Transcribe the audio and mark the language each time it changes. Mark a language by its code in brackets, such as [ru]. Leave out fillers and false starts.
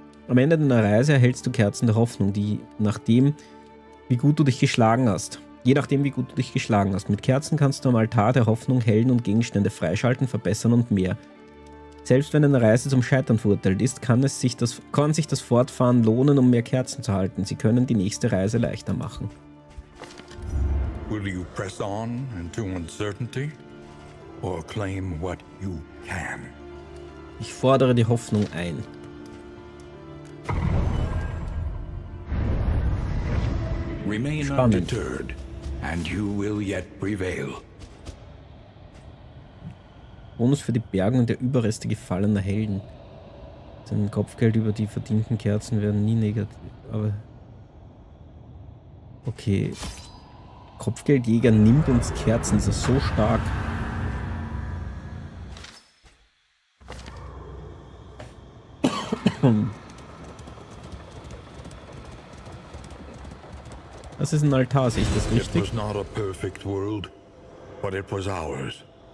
[de] Am Ende deiner Reise erhältst du Kerzen der Hoffnung, die nach dem, wie gut du dich geschlagen hast. Je nachdem, wie gut du dich geschlagen hast. Mit Kerzen kannst du am Altar der Hoffnung Helden und Gegenstände freischalten, verbessern und mehr. Selbst wenn eine Reise zum Scheitern verurteilt ist, kann sich das Fortfahren lohnen, um mehr Kerzen zu halten. Sie können die nächste Reise leichter machen. [en] Will you press on into uncertainty or claim what you can? [de] Ich fordere die Hoffnung ein. [en] Remain undeterred, and you will yet prevail. [de] Bonus für die Bergen und der Überreste gefallener Helden. Sein Kopfgeld über die verdienten Kerzen werden nie negativ, aber... Okay. Kopfgeldjäger nimmt uns Kerzen, ist er so stark. Das ist ein Altar, sehe ich das richtig? [en] It was not a perfect world, but it was ours.